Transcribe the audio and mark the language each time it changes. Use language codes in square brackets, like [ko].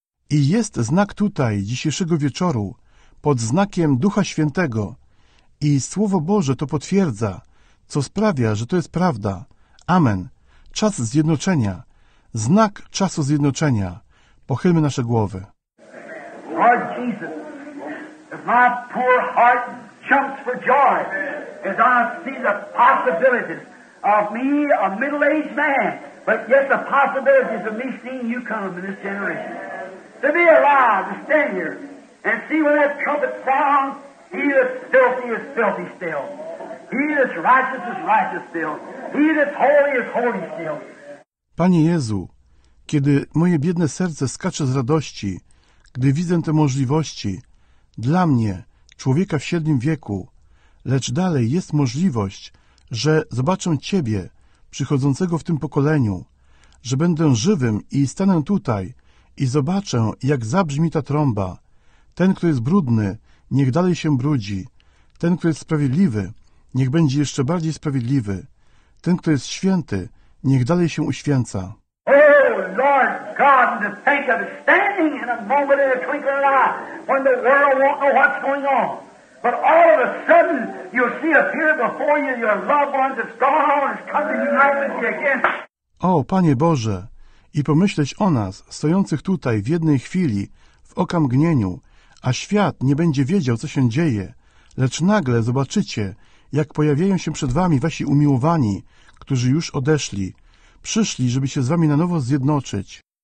[pl] I jest znak tutaj, dzisiejszego wieczoru, pod znakiem Ducha Świętego. I Słowo Boże to potwierdza, co sprawia, że to jest prawda. Amen. Czas zjednoczenia. Znak czasu zjednoczenia. Pochylmy nasze głowy. [en] Lord Jesus, if my poor heart jumps for joy as I see the possibilities of me, a middle-aged man, but yet the possibilities of me seeing you come in this generation. To be alive, to stand here, and see when that trumpet sounds, he that's filthy is filthy still. He that's righteous is righteous still. He that's holy is holy still. [pl] Panie Jezu, kiedy moje biedne serce skacze z radości, gdy widzę te możliwości, dla mnie, człowieka w średnim wieku, lecz dalej jest możliwość, że zobaczę Ciebie, przychodzącego w tym pokoleniu, że będę żywym i stanę tutaj i zobaczę, jak zabrzmi ta trąba. Ten, kto jest brudny, niech dalej się brudzi. Ten, kto jest sprawiedliwy, niech będzie jeszcze bardziej sprawiedliwy. Ten, kto jest święty, niech dalej się uświęca. [en] Lord God, to think of standing in a moment in a twinkling of an eye when the world won't know what's going on. But all of a sudden, you'll see appear before you your loved ones that's gone on and come to unite with you again. [pl] O, Panie Boże, i pomyśleć o nas, stojących tutaj w jednej chwili, w okamgnieniu, a świat nie będzie wiedział, co się dzieje, lecz nagle zobaczycie, jak pojawiają się przed wami wasi umiłowani, którzy już odeszli, przyszli, żeby się z wami na nowo zjednoczyć.